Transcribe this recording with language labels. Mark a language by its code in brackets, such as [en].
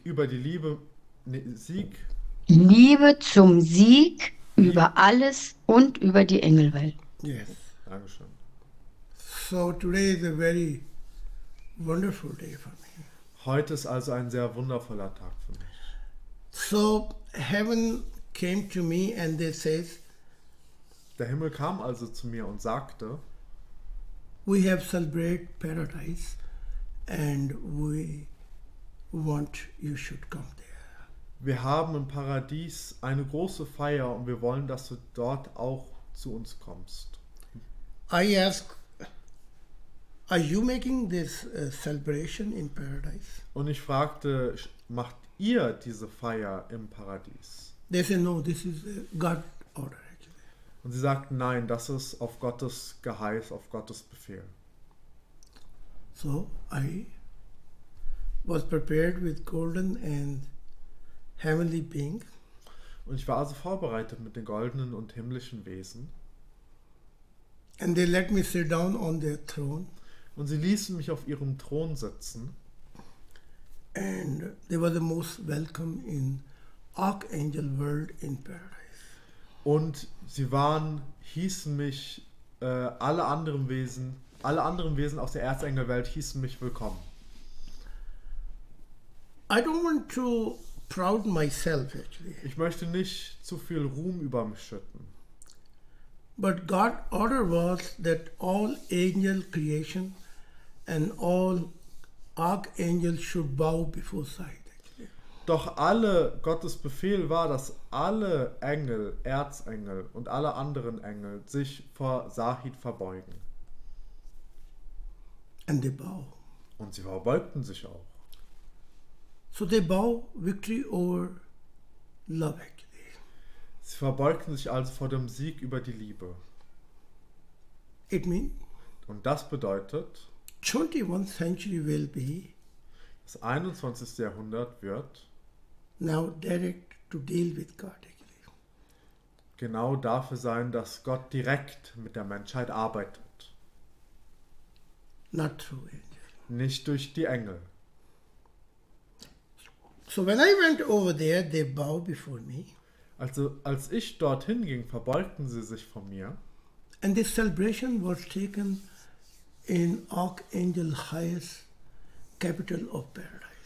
[de] Liebe zum Sieg über alles und über die Engelwelt. [en] Yes. [de] Dankeschön. [en] So today is a very wonderful day for me. [de] Heute ist also ein sehr wundervoller Tag für mich. [en] So heaven came to me and they says, [de] der Himmel kam also zu mir und sagte, [en] we have celebrated paradise and we want you should come there. [de] Wir haben im Paradies eine große Feier und wir wollen, dass du dort auch zu uns kommst. [en] I ask, are you making this celebration in paradise? [de] Und ich fragte, macht ihr diese Feier im Paradies? [en] They said, no, this is God order actually. [de] Und sie sagten, nein, das ist auf Gottes Geheiß, auf Gottes Befehl. [en] So I was prepared with golden and heavenly being. [de] Und ich war also vorbereitet mit den goldenen und himmlischen Wesen. [en] And they let me sit down on their throne. [de] Und sie ließen mich auf ihrem Thron sitzen. [en] And they were the most welcome in Archangel world in paradise. [de] Und sie hießen mich alle anderen Wesen aus der Erzengelwelt hießen mich willkommen. [en] I don't want to proud myself actually. [de] Ich möchte nicht zu viel Ruhm über mich schütten. [en] But God's order was that all angel creation and all archangels should bow before Zahid. [de] Doch alle Gottes Befehl war, dass alle Engel, Erzengel und alle anderen Engel sich vor Zahid verbeugen. [en] And they bow. [de] Und sie verbeugten sich auch. [en] So they bow victory over love actually. [de] Sie verbeugten sich also vor dem Sieg über die Liebe. [en] It mean? [de] Und das bedeutet, [en] 21. Century will be, [de] das 21. Jahrhundert wird [en] now direct to deal with God actually. [de] Genau dafür sein, dass Gott direkt mit der Menschheit arbeitet. [en] Not through angel. [de] Nicht durch die Engel. [en] So when I went over there, they bow before me. [de] Also als ich dorthin ging, verbeugten sie sich vor mir. [en] And this celebration was taken in Archangel highest capital of paradise.